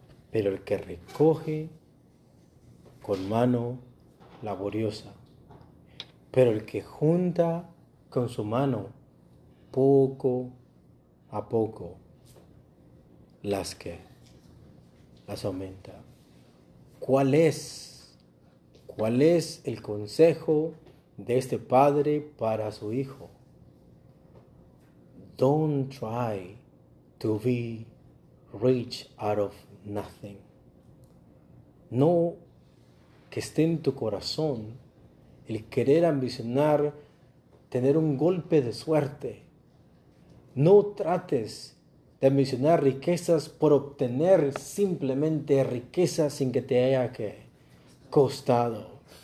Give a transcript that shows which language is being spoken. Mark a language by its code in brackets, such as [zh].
[es] Pero el que recoge con mano laboriosa, pero el que junta con su mano poco a poco, las que las aumenta. ¿Cuál es el consejo de este padre para su hijo? [en] Don't try to be rich out of nothing. [es] No que esté en tu corazón el querer ambicionar tener un golpe de suerte. No trates de ambicionar riquezas por obtener simplemente riquezas sin que te haya que costado.